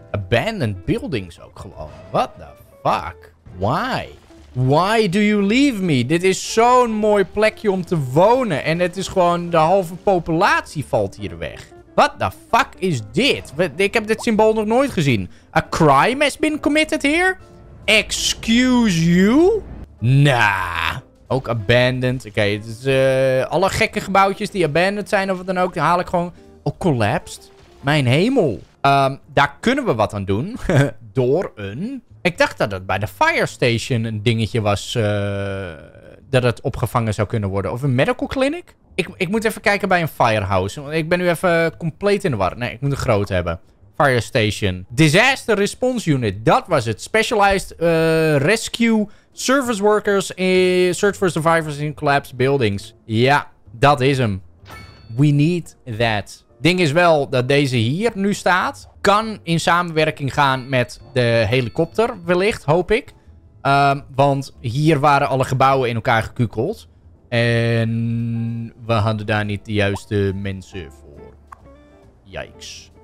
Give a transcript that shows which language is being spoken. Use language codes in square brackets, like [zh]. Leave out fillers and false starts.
[en] Abandoned buildings [nl] ook gewoon. [en] What the fuck? Why? Why do you leave me? [nl] Dit is zo'n mooi plekje om te wonen. En het is gewoon de halve populatie valt hier weg. [en] What the fuck [nl] is dit? Ik heb dit symbool nog nooit gezien. [en] A crime has been committed here? Excuse you? Nah. Ook abandoned. [nl] Oké, het is alle gekke gebouwtjes die abandoned zijn of wat dan ook. Die haal ik gewoon. Oh, collapsed? Mijn hemel. Daar kunnen we wat aan doen. Door een... Ik dacht dat het bij de fire station een dingetje was. Dat het opgevangen zou kunnen worden. Of een medical clinic? Ik moet even kijken bij een firehouse. Want ik ben nu even compleet in de war. Nee, ik moet een groot hebben. [en] Fire station. Disaster response unit. [nl] Dat was het. [en] Specialized rescue service workers. Search for survivors in collapsed buildings. [nl] Ja, dat is hem. [en] We need that. [nl] Ding is wel dat deze hier nu staat. Kan in samenwerking gaan met de helikopter wellicht, hoop ik. Want hier waren alle gebouwen in elkaar gekukeld. En we hadden daar niet de juiste mensen voor. Yikes.